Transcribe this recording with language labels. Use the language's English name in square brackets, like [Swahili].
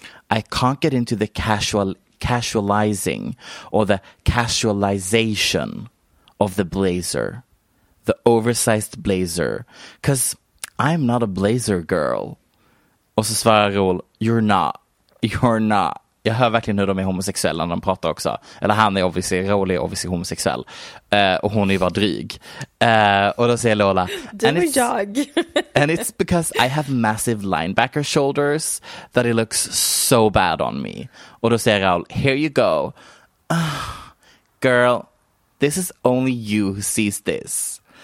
[English] I can't get into the casualizing or the casualization of the blazer. The oversized blazer. Because I'm not a blazer girl. [Swedish] Och så svarar Raoul, [English] you're not. You're not. [Swedish] Jag hör verkligen hur de är homosexuella när de pratar också. Eller han är obviously, Raoul är obviously homosexuell. Och hon är ju bara dryg. Och då säger Lola, du och jag. [English] And it's because I have massive linebacker shoulders that it looks so bad on me. [Swedish] Och då säger Raoul, [English] here you go. Girl, this is only you who sees this.